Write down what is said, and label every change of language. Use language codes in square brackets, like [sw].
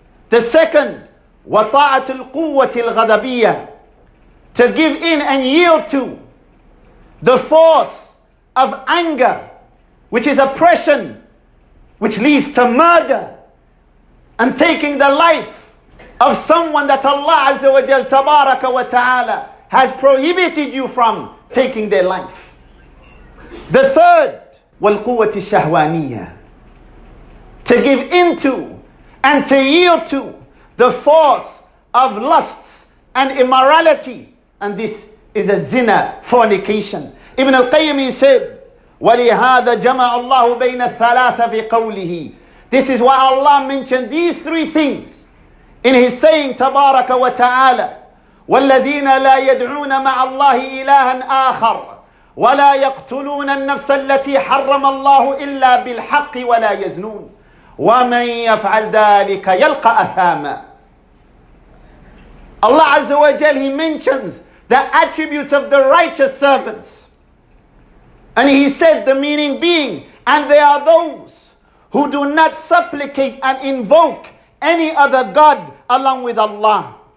[en] The second, [ar] وَطَاعَةُ الْقُوَّةِ الْغَضَبِيَّةِ, [en] to give in and yield to the force of anger, which is oppression, which leads to murder and taking the life of someone that Allah Azza wa Jal Tabaraka wa Ta'ala has prohibited you from taking their life. The third, [ar] وَالْقُوَّةِ الشَّهْوَانِيَّةِ, [en] to give in to and to yield to the force of lusts and immorality. And this is a zina, fornication. [ar] Ibn al-Qayyim, [en] he said, [ar] وَلِهَذَا جَمَعَ اللَّهُ بَيْنَ الثَّلَاثَ فِي قَوْلِهِ. [en] This is why Allah mentioned these three things in his saying, [ar] تبارك وتعالى, وَالَّذِينَ لَا يَدْعُونَ مَعَ اللَّهِ إِلَهًا آخَرًا ولا يقتلون النفس التي حرم الله الا بالحق ولا يزنون ومن يفعل ذلك يلقى اثاما. [en] Allah Azza wa Jal, he mentions the attributes of the righteous servants, and he said the meaning being, and they are those who do not supplicate and invoke any other god along with Allah.